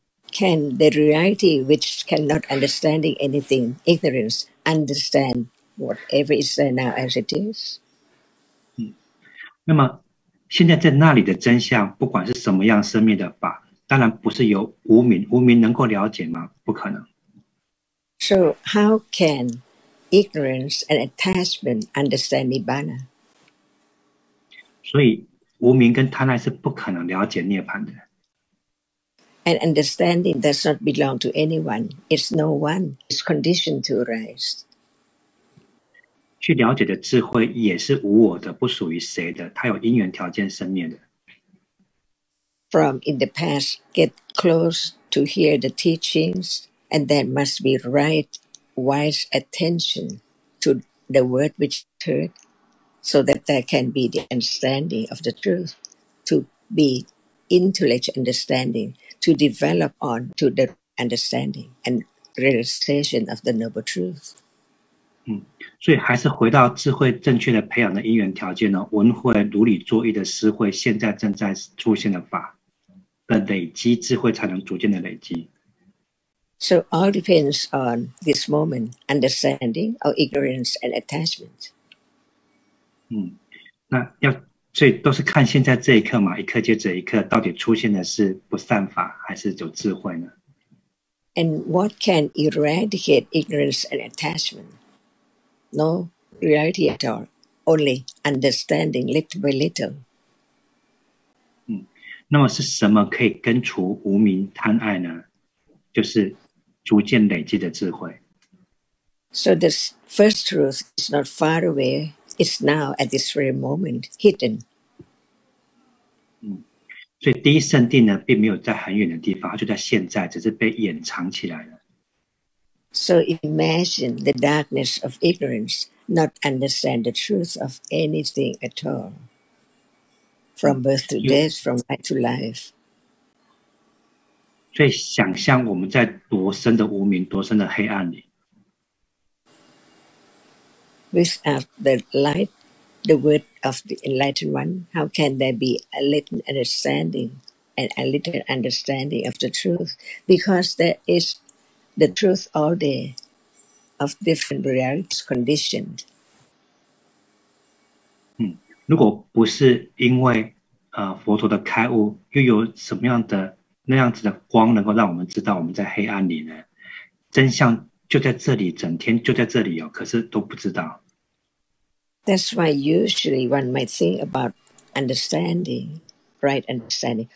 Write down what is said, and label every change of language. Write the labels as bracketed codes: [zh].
[en] Can the reality which cannot understanding anything, ignorance, understand whatever is there now as it is? [zh] 那么现在在那里的真相，不管是什么样生灭的法，当然不是由无明，无明能够了解吗？不可能。 [en] So how can ignorance and attachment understand Nibbana? [zh] 所以无明跟贪爱是不可能了解涅槃的。 [en] And understanding does not belong to anyone. It's no one. It's conditioned to arise. [zh] 去了解的智慧也是无我的，不属于谁的，它有因缘条件生灭的。 [en] From in the past, get close to hear the teachings, and that must be right. Wise attention to the word which heard, so that there can be the understanding of the truth, to be intellect understanding, to develop on to the understanding and realization of the noble truth. [zh] 所以还是回到智慧正确的培养的因缘条件呢，闻慧如理作意的思慧，现在正在出现的法的累积，智慧才能逐渐的累积。 [en] So all depends on this moment understanding of ignorance and attachment. [zh] 那要所以都是看现在这一刻嘛，一刻接着一刻，到底出现的是不善法还是有智慧呢？ [en] And what can eradicate ignorance and attachment? No reality at all, only understanding little by little. [zh] 那么是什么可以根除无明贪爱呢？就是逐渐累积的智慧。 [en] So the first truth is not far away, it's now at this very moment hidden. [zh] 所以第一圣谛呢，并没有在很远的地方，就在现在，只是被掩藏起来了。 [en] So imagine the darkness of ignorance, not understand the truth of anything at all, from birth to death, from life to life. [zh] 所以想象我们在多深的无明、多深的黑暗里。 [en] Without the light, the word of the enlightened one, how can there be a little understanding and a little understanding of the truth? Because there is the truth all there of different realities conditioned. [zh] 如果不是因为佛陀的开悟，又有什么样的那样子的光能够让我们知道我们在黑暗里呢？真相就在这里，整天就在这里哦，可是都不知道。 [en] That's why usually one might think about understanding, right understanding.